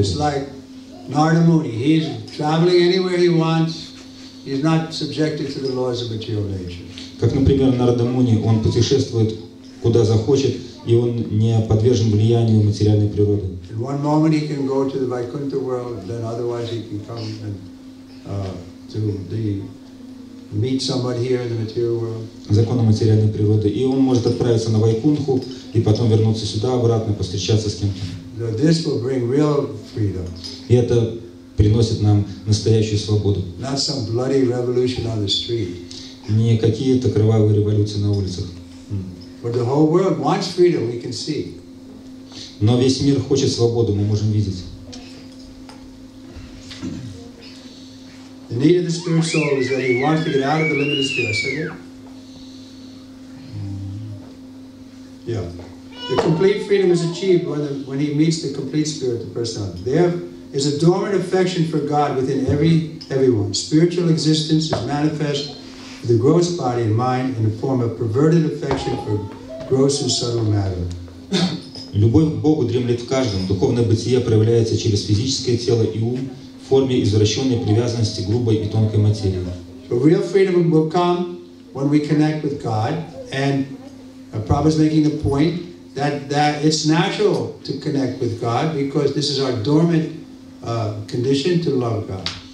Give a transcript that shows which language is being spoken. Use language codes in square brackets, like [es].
[en] It's like Narada Muni, he's traveling anywhere he wants. He's not subjected to the laws of material nature. [ru] Как, например, Нарада Муни, он путешествует куда захочет, и он не подвержен влиянию материальной природы. [en] In one moment he can go to the Vaikuntha world, then otherwise he can come and to the meet somebody here in the material world. [ru] Законы материальной природы, и он может отправиться на Вайкунху и потом вернуться сюда обратно, постречаться с кем-то. [en] So this will bring real freedom. [ru] И это приносит нам настоящую свободу. [en] Not some bloody revolution on the street. [ru] Не какие-то кровавые революции на улицах. [en] But the whole world wants freedom, we can see. [ru] Но весь мир хочет свободу, мы можем видеть. [en] The need of the spiritual soul is that he wants to get out of the limited sphere. Is that it? Yeah. The complete freedom is achieved when he meets the complete spirit, the person. There is a dormant affection for God within everyone. Spiritual existence is manifest in the gross body and mind in the form of perverted affection for gross and subtle matter. [ru] Любовь к Богу дремлет в каждом. Духовное бытие проявляется через физическое тело и ум в форме извращенной привязанности грубой и тонкой материи. [en] So real freedom will come when we connect with God, and Prabhupada is making the point that it's natural to connect with God because this is our dormant condition to love God.